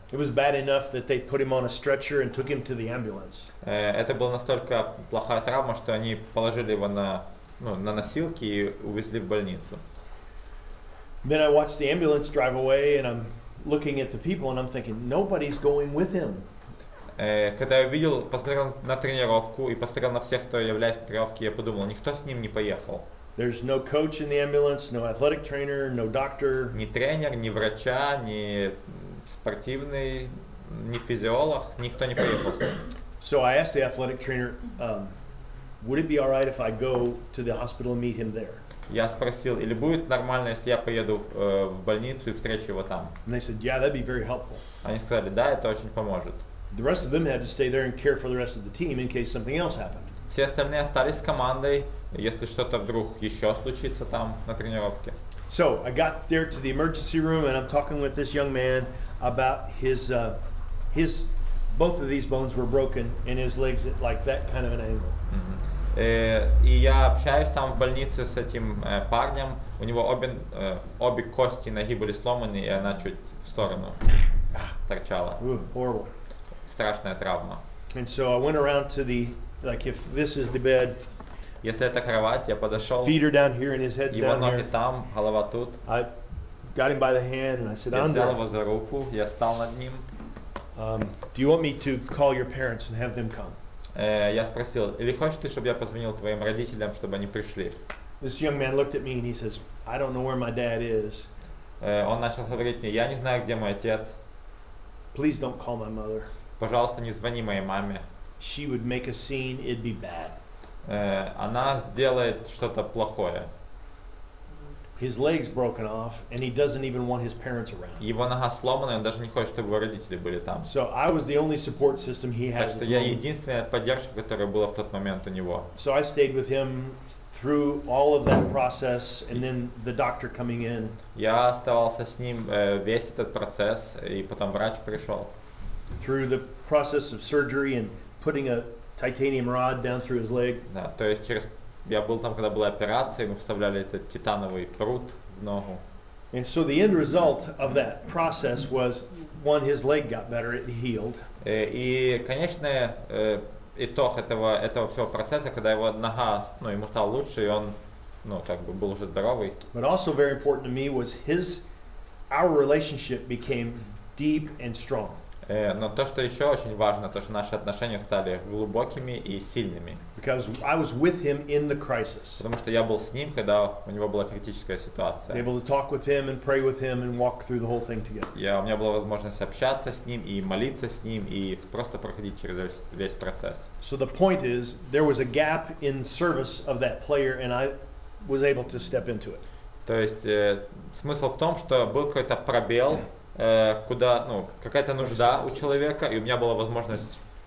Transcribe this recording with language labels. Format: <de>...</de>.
<en>It was bad enough that they put him on a stretcher and took him to the ambulance.</en> <ru>Это была настолько плохая травма, что они положили его на носилки и увезли в больницу.</ru> <en>Then I watched the ambulance drive away and I'm looking at the people and I'm thinking nobody's going with him.</en> <ru>Когда я увидел, посмотрел на тренировку и посмотрел на всех, кто является на тренировке, я подумал, никто с ним не поехал.</ru> <en>There's no coach in the ambulance, no athletic trainer, no doctor.</en> <ru>Ни тренер, ни врача, ни сп- спортивный, не физиолог, никто не поехал.</ru> <en>So I asked the athletic trainer, would it be all right if I go to the hospital and meet him there?</en> <ru>Я спросил, или будет нормально, если я поеду в больницу и встречу его там?</ru> <en>And they said, yeah, that'd be very helpful.</en> <ru>Они сказали, да, это очень поможет.</ru> <en>The rest of them had to stay there and care for the rest of the team in case something else happened.</en> <ru>Все остальные остались с командой, если что-то вдруг еще случится там на тренировке.</ru> <en>So I got there to the emergency room and I'm talking with this young man about his both of these bones were broken and his legs at like that kind of an angle.</en> <ru>И я общаюсь там в больнице с этим парнем. У него обе кости ноги были сломаны, и она чуть в сторону торчала.</ru> <en>Horrible.</en> <ru>Страшная травма.</ru> <en>And so I went around to the like if this is the bed.</en> <ru>Если это кровать, я подошел.</ru> <en>Feet are down here and his head's down here.</en> <ru>Там, голова тут.</ru> <en>I got him by the hand and I said,</en> <ru>Andre. Я взял его за руку, я стал над ним.</ru> <en>Do you want me to call your parents and have them come?</en> <ru>Я спросил, или хочешь ты, чтобы я позвонил твоим родителям, чтобы они пришли?</ru> <en>This young man looked at me and he says, I don't know where my dad is.</en> <ru>Он начал говорить мне, я не знаю, где мой отец.</ru> <en>Please don't call my mother.</en> <ru>Пожалуйста, не звони моей маме.</ru> <en>She would make a scene, it'd be bad.</en> <ru>Она сделает что-то плохое.</ru> <en>His leg's broken off, and he doesn't even want his parents around.</en> <ru>Его нога сломана, он даже не хочет, чтобы его родители были там.</ru> <en>So I was the only support system he had.</en> <ru>Так что я единственная поддержка, которая была в тот момент у него.</ru> <en>So I stayed with him through all of that process, and then the doctor coming in.</en> <ru>Я оставался с ним весь этот процесс, и потом врач пришел.</ru> <en>Through the process of surgery and putting a titanium rod down through his leg.</en> <ru>Да, то есть через я был там, когда была операция, мы вставляли этот титановый прут в ногу.</ru> <en>And so the end result of that process was one, his leg got better, it healed.</en> <ru>И конечный итог этого всего процесса, когда его нога, ну, ему стало лучше, и он, ну, как бы был уже здоровый.</ru> <en>But also very important to me was his our relationship became deep and strong.</en> <ru>Но то, что еще очень важно, то, что наши отношения стали глубокими и сильными.</ru> <en>Because I was with him in the crisis.</en> <ru>Потому что я был с ним, когда у него была критическая ситуация.</ru> <en>Able to talk with him and pray with him and walk through the whole thing together.</en> <ru>У меня была возможность общаться с ним и молиться с ним и просто проходить через весь процесс.</ru> <en>So the point is, there was a gap in service of that player, and I was able to step into it.</en> <ru>То есть смысл в том, что был какой-то пробел. Куда, ну, какая-то нужда у человека, и у меня была возможность</ru>